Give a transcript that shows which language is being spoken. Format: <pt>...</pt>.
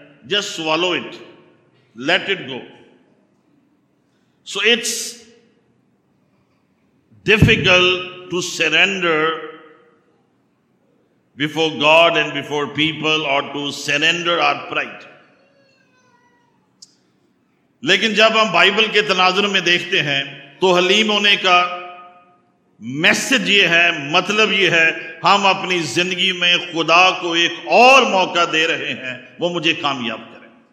<en>Just swallow it. Let it go. So it's difficult to surrender before God and before people, or to surrender our pride.</en> <hi>लेकिन जब हम Bible के तनाजुर में देखते हैं तो हलीम होने का मैसेज यह है, मतलब यह है, हम अपनी जिंदगी में खुदा को एक और मौका दे रहे हैं वो मुझे कामयाब करें.</hi>